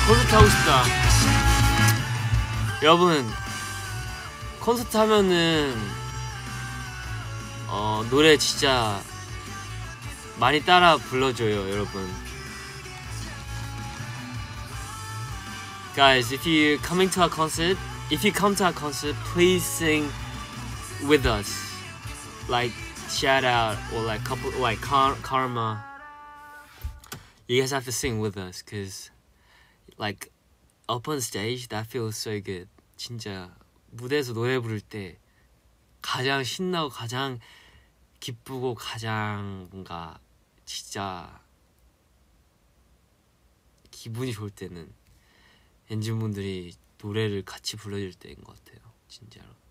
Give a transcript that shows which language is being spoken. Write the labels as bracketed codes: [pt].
[ko] 콘서트 하고 싶다. 여러분 콘서트 하면은 노래 진짜 많이 따라 불러줘요, 여러분. [en] Guys, if you coming to our concert, if you come to our concert, please sing with us. Like shout out or like couple like karma. You guys have to sing with us, cause. Like, up on stage, that feels so good. [ko] 진짜 무대에서 노래 부를 때 가장 신나고 가장 기쁘고 가장 뭔가 진짜 기분이 좋을 때는 엔진분들이 노래를 같이 불러줄 때인 것 같아요. 진짜로.